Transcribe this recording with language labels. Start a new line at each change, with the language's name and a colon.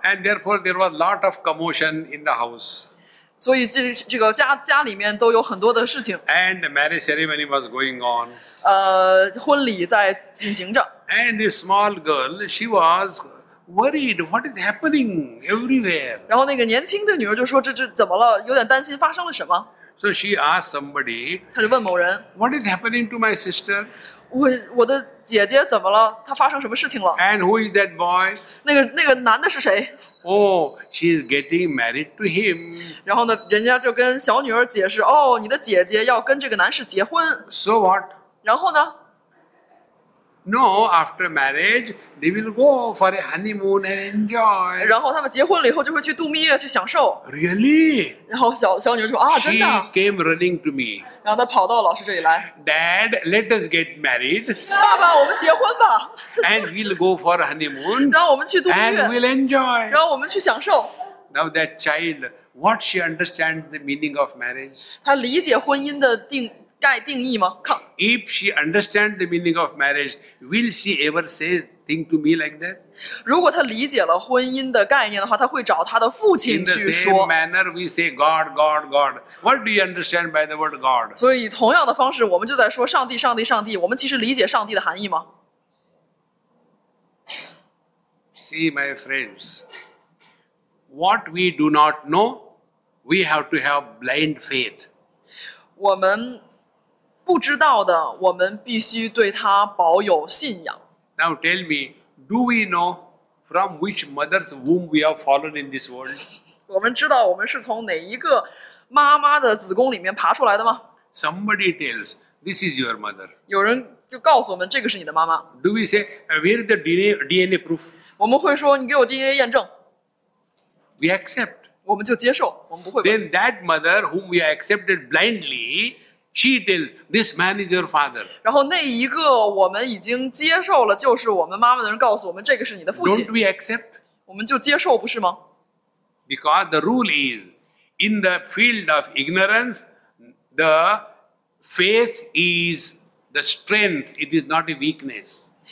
English: And therefore there was a lot of commotion in the house.
Chinese: 所以这个家里面都有很多的事情。
English: And the marriage ceremony was going on.
Chinese: 婚礼在进行着。
English: And this small girl, she was worried, what is happening everywhere?
Chinese: 然后那个年轻的女儿就说，这怎么了？有点担心发生了什么。
English: So she asked somebody,
Chinese: 她就问某人，
English: what is happening to my sister?
Chinese: 我的姐姐怎么了？她发生什么事情了？
English: And who is that boy?
Chinese: 那个男的是谁？
English: Oh, she is getting married to him.
Chinese: 然后呢，人家就跟小女儿解释，哦，你的姐姐要跟这个男士结婚。
English: So what?
Chinese: 然后呢？
English: No, after marriage, they will go for a honeymoon and enjoy.
Chinese: 然后他们结婚了以后就会去度蜜月去享受。
English: Really?
Chinese: 然后小女儿说，啊，真的。
English: She came running to me.
Chinese: 然后她跑到老师这里来。
English: Dad, let us get married.
Chinese: 爸爸，我们结婚吧。
English: And we'll go for a honeymoon.
Chinese: 然后我们去度蜜月。
English: And we'll enjoy.
Chinese: 然后我们去享受。
English: Now that child, what she understands the meaning of marriage?
Chinese: 她理解婚姻的定义吗？靠。
English: If she understands the meaning of marriage, will she ever say thing to me like that?
Chinese: 如果她理解了婚姻的概念的话，她会找她的父亲去说。
English: In the same manner, we say God, God, God. What do you understand by the word God?
Chinese: 所以同样的方式，我们就在说上帝，上帝，上帝。我们其实理解上帝的含义吗？
English: See, my friends, what we do not know, we have to have blind faith.
Chinese: 我们不知道的，我们必须对他保有信仰。
English: Now tell me, do we know from which mother's womb we have fallen in this world?
Chinese: 我们知道我们是从哪一个妈妈的子宫里面爬出来的吗？
English: Somebody tells, this is your mother.
Chinese: 有人就告诉我们，这个是你的妈妈。
English: Do we say, where is the DNA proof?
Chinese: 我们会说，你给我 DNA 验证。
English: We accept.
Chinese: 我们就接受，我们不会。
English: Then that mother whom we accepted blindly,She tells, this man is your father.
Chinese: 然后那一个我们已经接受了，就是我们妈妈的人告诉我们，这个是你的父亲。
English: Don't we accept?
Chinese: 我们就接受，不是吗？
English: Because the rule is, in the field of ignorance, the faith is the strength, it is not a weakness.